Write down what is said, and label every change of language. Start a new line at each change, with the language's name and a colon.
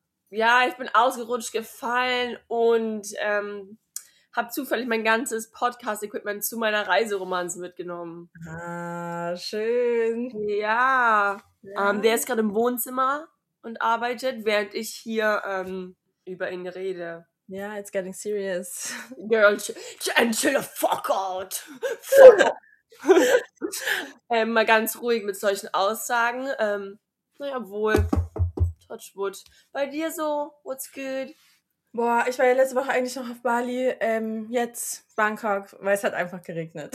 German: Ja, ich bin ausgerutscht gefallen und habe zufällig mein ganzes Podcast-Equipment zu meiner Reiseromanze mitgenommen. Ah, schön. Ja, ja. Der ist gerade im Wohnzimmer und arbeitet, während ich hier über ihn rede.
English: Ja, yeah, it's getting serious. Girl, and chill the fuck out.
German: Fuck mal ganz ruhig mit solchen Aussagen. Naja, wohl. Touchwood. Bei dir so?
English: What's good?
German: Boah, ich war ja letzte Woche eigentlich noch auf Bali. Jetzt Bangkok, weil es hat einfach geregnet.